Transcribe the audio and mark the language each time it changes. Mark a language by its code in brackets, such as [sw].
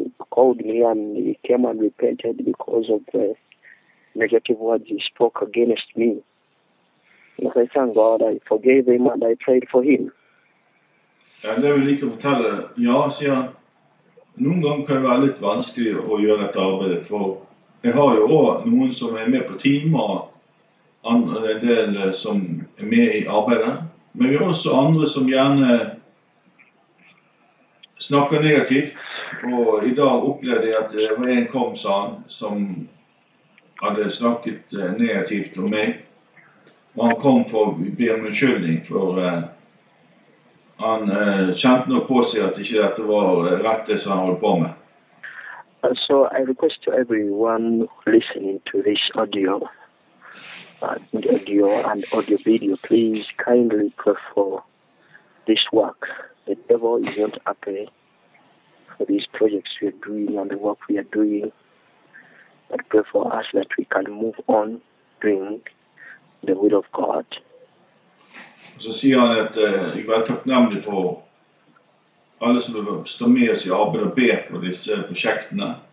[en] Called me and he came and repented because of the negative words he spoke against me. And I thank God I forgave him and I prayed for him. [no] Jeg vil ikke fortelle, ja, sier han, noen ganger kan det være litt vanskelig å gjøre dette arbeidet, for Jeg har jo også noen som er med på teamer, andre del som er med i arbeidet, men vi har også andre som gjerne snakker negativt, og i dag opplevde jeg at det var en kom, sa han, som hadde snakket negativt om meg, og han kom for å be om unnskyldning, for han kjente nok på seg at ikke dette var rett det som han holdt på med. [en] So I request to everyone listening to this audio, audio and audio video, please kindly pray for this work. The devil is not happy for these projects we are doing and the work we are doing, but pray for us that we can move on doing the will of God. So see on that, you got to know me [no] for alle som står med oss i arbeid og ber på disse prosjektene.